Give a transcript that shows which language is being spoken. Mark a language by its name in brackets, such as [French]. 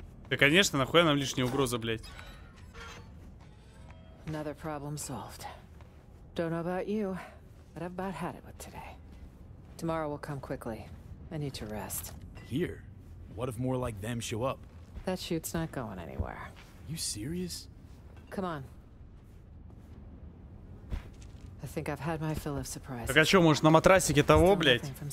[Russian] Да, конечно, нахуй нам лишняя угроза, блядь. [English] Another problem solved. Don't know about you, but I've about had it with today. Tomorrow will come quickly. I need to rest. Here? What if more like them show up? That chute's not going anywhere. You serious? Come on. I think I've had my fill of surprises. [Russian] Так а что, может, на матрасике того, блядь?